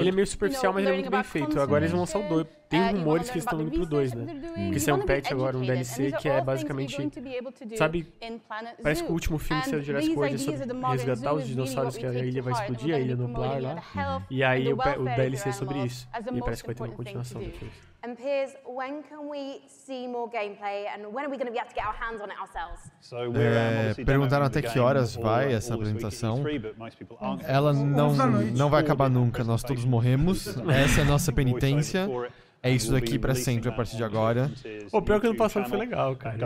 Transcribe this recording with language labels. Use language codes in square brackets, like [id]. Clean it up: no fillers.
[pt] Ele é meio superficial, mas ele é muito bem feito. Agora eles vão lançar o 2. Tem rumores que eles estão indo pro 2, né? Porque isso é um patch agora, um DLC, que é basicamente... Sabe? Parece que o último filme que saiu do Jurassic World é sobre resgatar os dinossauros, que a ilha vai explodir, a ilha nuclear lá. E aí o DLC é sobre isso. E parece que vai ter uma continuação depois. [en] And Piers, when can we see more gameplay and when are we going to be able to get our hands on it ourselves? So we're [pt] perguntaram até que horas vai essa apresentação. Ela não vai acabar nunca, nós todos morremos. Essa é a nossa penitência. É isso daqui pra sempre, a partir de agora. Pô, pior que no passado foi legal, cara.